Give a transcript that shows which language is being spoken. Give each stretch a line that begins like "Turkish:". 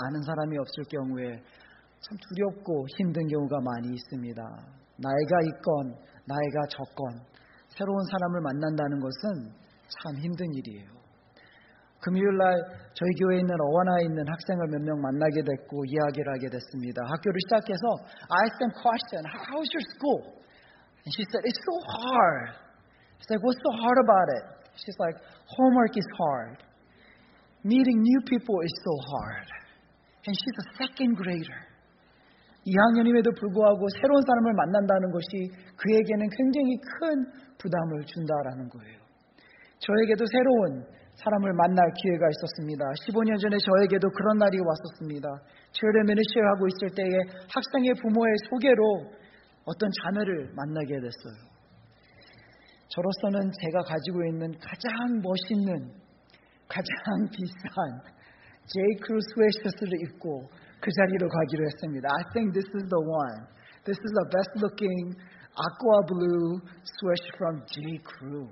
Korean: 아는 사람이 없을 경우에 참 두렵고 힘든 경우가 많이 있습니다. 나이가 있건 나이가 적건 새로운 사람을 만난다는 것은 참 힘든 일이에요. 금요일날 저희 교회에 있는 어원아에 있는 학생을 몇 명 만나게 됐고 이야기를 하게 됐습니다. 학교를 시작해서
English: I asked them question, how's your school? And she said, it's so hard. She's like, what's so hard about it? She's like, homework is hard. Meeting new people is so hard. And she's a second grader.
Korean: 2학년임에도 불구하고 새로운 사람을 만난다는 것이 그에게는 굉장히 큰 부담을 준다라는 거예요. 저에게도 새로운 사람을 만날 기회가 있었습니다. 15년 전에 저에게도 그런 날이 왔었습니다. 체류 미니스트리 하고 있을 때에 학생의 부모의 소개로 어떤 자매를 만나게 됐어요. 저로서는 제가 가지고 있는 가장 멋있는 가장 비싼 J.Crew 스웨트셔츠를 입고 그 자리로 가기로 했습니다.
English: I think this is the one. This is the best looking aqua blue sweatshirt from J.Crew.